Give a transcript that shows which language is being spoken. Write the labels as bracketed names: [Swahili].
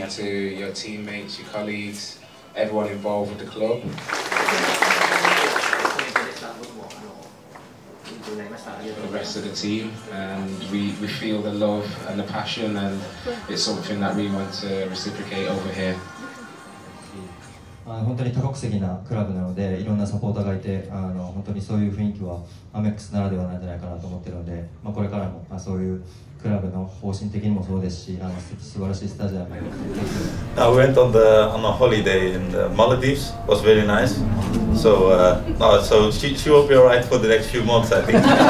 [English] Thank you to your teammates, your colleagues, everyone involved with the club. The rest of the team, and we feel the love and the passion, and it's something that we want to reciprocate over here. Thank you. [Japanese] 本当に多国籍なクラブなのでいろんなサポーターがいて本当にそういう雰囲気はアメックスならではなんじゃないかなと思っているので、まあ、これからも、まあ、そういうクラブの方針的にもそうですし素晴らしいスタジアムに [English] I went on a holiday in the Maldives. It was very nice. So,、so she will be alright for the next few months, I think.